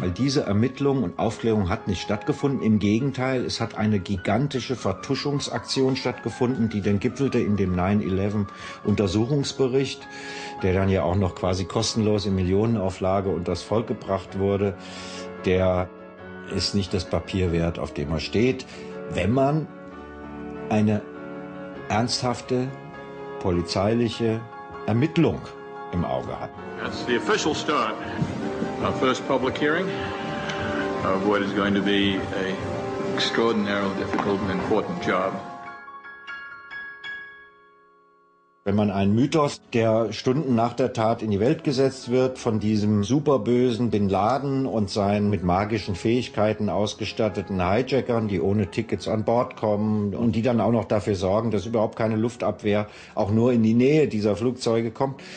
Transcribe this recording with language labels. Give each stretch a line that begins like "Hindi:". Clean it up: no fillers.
German: Weil diese Ermittlung und Aufklärung hat nicht stattgefunden. Im Gegenteil, es hat eine gigantische Vertuschungsaktion stattgefunden, die dann gipfelte in dem 9/11-Untersuchungsbericht, der dann ja auch noch quasi kostenlos in Millionenauflage unters Volk gebracht wurde. Der ist nicht das Papier wert, auf dem er steht. Wenn man eine ernsthafte polizeiliche Ermittlung im Auge hat.
English: That's the official start. Our first public hearing of what is going to be a extraordinarily difficult and important job.
German: Wenn man einen Mythos, der Stunden nach der Tat in die Welt gesetzt wird, von diesem superbösen Bin Laden und seinen mit magischen Fähigkeiten ausgestatteten Hijackern, die ohne Tickets an Bord kommen und die dann auch noch dafür sorgen, dass überhaupt keine Luftabwehr auch nur in die Nähe dieser Flugzeuge kommt.